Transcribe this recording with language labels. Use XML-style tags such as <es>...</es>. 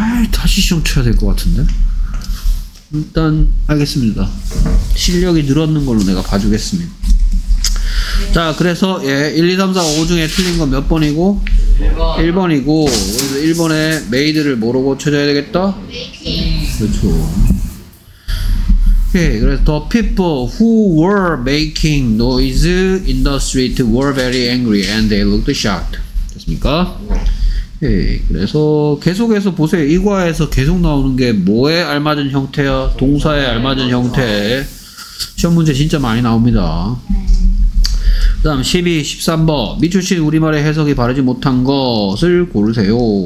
<ko>다시 시험 쳐야 될 것 같은데? 일단 알겠습니다. 실력이 늘었는 걸로 내가 봐주겠습니다. 자 그래서 예, 1, 2, 3, 4, 5 중에 틀린 건 몇 번이고? 1번. 1번이고 그래서 1번에 메이드를 뭐라고 쳐줘야 되겠다? 메이킹. 그렇죠. 오케이</ko> <en>okay, 그래서 the people who were making noise in the street were very angry and they looked shocked.</en> <ko>됐습니까? 오케이 okay, 그래서 계속해서 보세요. 이 과에서 계속 나오는 게 뭐에 알맞은 형태야? 동사에 알맞은 형태. 시험 문제 진짜 많이 나옵니다. 그 다음 12, 13번 미추신 우리말의 해석이 바르지 못한 것을 고르세요.</ko>